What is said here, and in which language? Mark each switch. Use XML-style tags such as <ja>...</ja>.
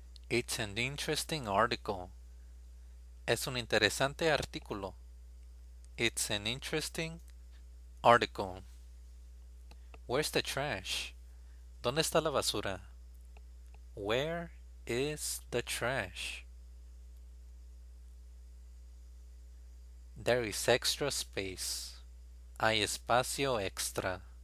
<en>It's an interesting article.</en> <es>Es un interesante artículo.</es> <en>It's an interesting article. Where's the trash?</en> <es>¿Dónde está la basura?</es> <en>Where is the trash? There is extra space.</en> <es>Hay espacio extra.</es>